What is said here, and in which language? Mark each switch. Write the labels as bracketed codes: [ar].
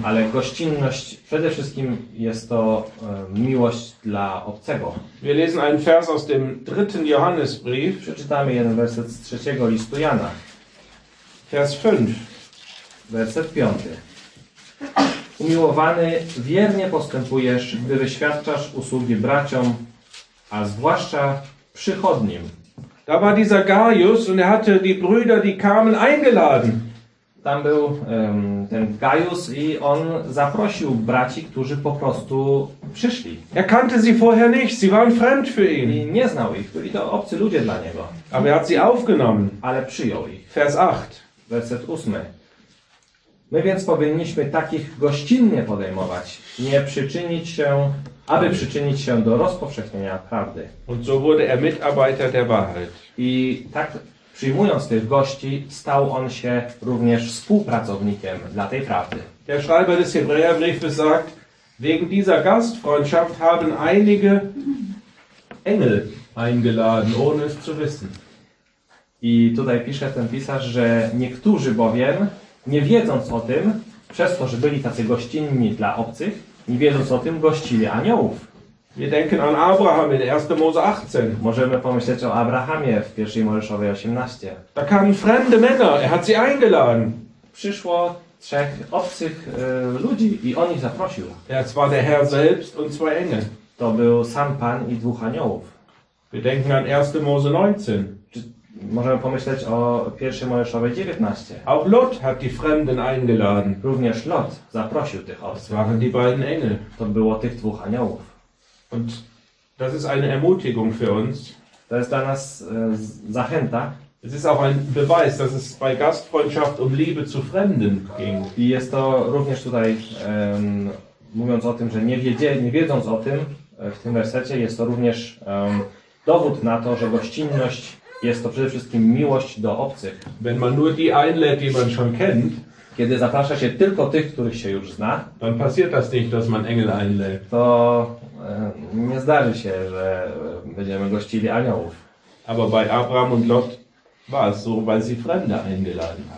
[pl] Ale gościnność przede wszystkim jest to miłość dla obcego. [de] Wir lesen einen Vers aus dem dritten Johannesbrief. [pl] Przeczytamy jeden werset z trzeciego listu Jana. [de] Vers 5. [pl] Werset 5. Umiłowany, wiernie postępujesz, gdy wyświadczasz usługi braciom, a zwłaszcza przychodnim. [de] Da war dieser Gaius und er hatte die Brüder, die kamen, eingeladen. [pl] Tam był ten Gaius i on zaprosił braci, którzy po prostu przyszli. [de] Er kannte sie vorher nicht, sie waren fremd für ihn. [pl] I nie znał ich, byli to obcy ludzie dla niego. [de] Aber er hat sie aufgenommen. [pl] Ale przyjął ich. [de] Vers 8. [pl] Werset 8. My więc powinniśmy takich gościnnie podejmować, nie przyczynić się, aby przyczynić się do rozpowszechnienia prawdy. [de] Und so wurde er Mitarbeiter der Wahrheit. [pl] I tak przyjmując tych gości, stał on się również współpracownikiem dla tej prawdy. [de] Der Schreiber des Hebräerbriefes sagt, wegen dieser Gastfreundschaft haben einige Engel eingeladen, ohne es zu wissen. [pl] I tutaj pisze ten pisarz, że niektórzy bowiem, nie wiedząc o tym, przez to, że byli tacy gościnni dla obcych, nie wiedząc o tym, gościli aniołów. [de] Wir denken an Abraham in 1. Mose 18. [pl] Możemy pomyśleć o Abrahamie w 1. Mojżeszowej 18. [de] Da kamen fremde Männer, er hat sie eingeladen. [pl] Przyszło trzech obcych ludzi i on ich zaprosił. [de] Das war der Herr selbst und zwei Engel. [pl] To był sam Pan i dwóch aniołów. [de] Wir denken an 1. Mose 19. [pl] Możemy pomyśleć o 1. Mojżeszowej 19. [de] Auch Lot hat die Fremden eingeladen. [pl] Również Lot zaprosił tych obcych. [de] Das waren die beiden Engel. [pl] To było tych dwóch aniołów. [de] Und das ist eine Ermutigung für uns. [pl] To jest dla nas zachęta. [de] Es ist auch ein Beweis, dass es bei Gastfreundschaft um Liebe zu Fremden ging. [pl] I jest to również tutaj, mówiąc o tym, że nie wiedząc o tym, w tym wersecie, jest to również dowód na to, że gościnność jest to przede wszystkim miłość do obcych. [de] Wenn man nur die einlädt, die man schon kennt, [pl] kiedy zaprasza się tylko tych, których się już zna, [de] dann passiert das nicht, dass man Engel einlädt. [pl] To nie zdarzy się, że będziemy gościli aniołów. [de] Aber bei Abraham und Lot war es so, weil sie Fremde eingeladen.